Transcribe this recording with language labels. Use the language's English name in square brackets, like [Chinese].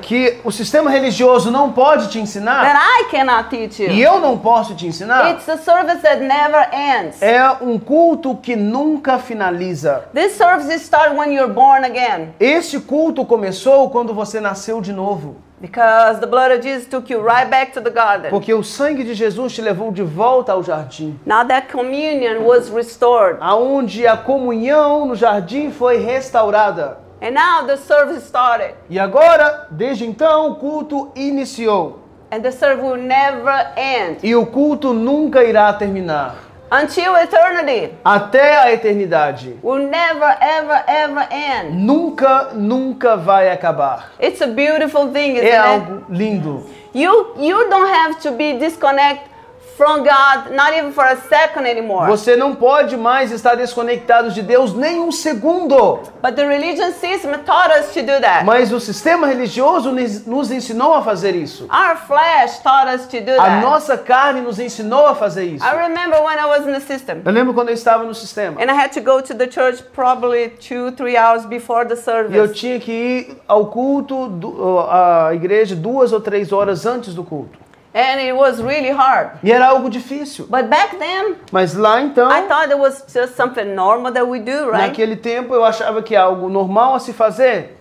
[Portuguese] que o sistema religioso não pode te ensinar, [English] that I cannot teach you, [Portuguese] e eu não posso te ensinar, [English] it's a service that never ends. [Portuguese] É um culto que nunca finaliza. [English] This service started when you're born again. [Portuguese] Este culto começou quando você nasceu de novo. [English] Because the blood of Jesus took you right back to the garden. [Portuguese] Porque o sangue de Jesus te levou de volta ao jardim. [English] Now that communion was restored. [Portuguese] Aonde a comunhão no jardim foi restaurada. [English] And now the service started. [Portuguese] E agora, desde então, o culto iniciou. [English] And the service will never end. [Portuguese] E o culto nunca irá terminar. [English] Until eternity. [Portuguese] Até a eternidade. [English] Will never, ever, ever end. [Portuguese] Nunca, nunca vai acabar. [English] It's a beautiful thing, isn't it? [Portuguese] É algo lindo. [English] You don't have to be disconnected from God, not even for a second anymore. [Portuguese] Você não pode mais estar desconectado de Deus nem um segundo. [English] But the religion system taught us to do that. [Portuguese] Mas o sistema religioso nos ensinou a fazer isso. [English] Our flesh taught us to do that. [Portuguese] A nossa carne nos ensinou a fazer isso. [English] I remember when I was in the system. [Portuguese] Eu lembro quando eu estava no sistema. [English] And I had to go to the church probably 2-3 hours before the service. [Portuguese] E eu tinha que ir ao culto, à igreja, 2 ou 3 horas antes do culto. [English] And it was really hard. [Portuguese] E era algo difícil. [English] But back then, [Portuguese] mas lá então, [English] I thought it was just something normal that we do, right? [Portuguese] Naquele tempo eu achava que era algo normal a se fazer.